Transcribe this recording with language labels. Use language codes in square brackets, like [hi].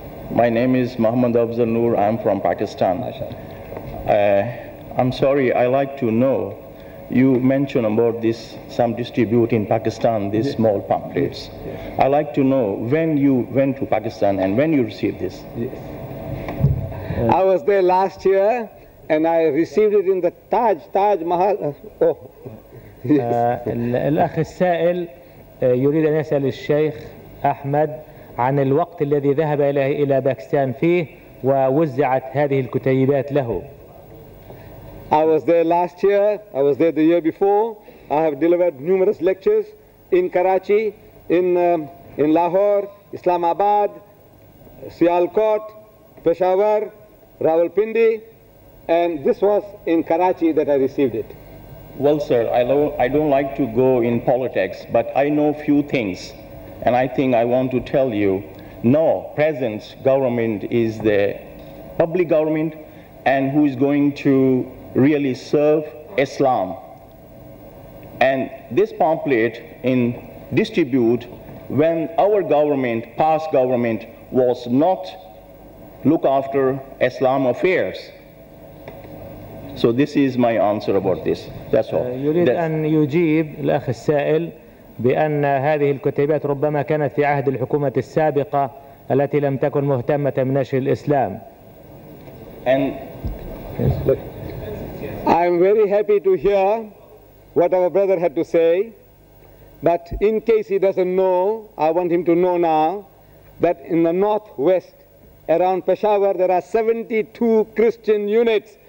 [en] My name is Muhammad Afzal Noor. I'm from Pakistan. I'm sorry, I like to know, you mentioned about this, some distribute in Pakistan, these yes. small pamphlets. Yes. I like to know when you went to Pakistan and when you received this. Yes. I was there last year and I received it in the Taj Mahal. Oh. [ar] الأخ السائل يريد أن يسأل الشيخ أحمد عن الوقت الذي ذهب إلى باكستان فيه ووزعت هذه الكتيبات له. [en] I was there last year. I was there the year before. I have delivered numerous lectures in Karachi, in Lahore, Islamabad, Sialkot, Peshawar, Rawalpindi, and this was in Karachi that I received it. Well, sir, I don't like to go in politics, but I know few things, and I think I want to tell you, no, present government is the public government, and who is going to really serve Islam. And this pamphlet in distribute when our government, past government, was not look after Islam affairs. So this is my answer about this. That's all. [ar] يريد أن يجيب الأخ السائل بأن هذه الكتيبات ربما كانت في عهد الحكومة السابقة التي لم تكن مهتمة بنشر الإسلام. [en] And I am very happy to hear what our brother had to say, but in case he doesn't know, I want him to know now that in the northwest, around Peshawar, there are 72 Christian units.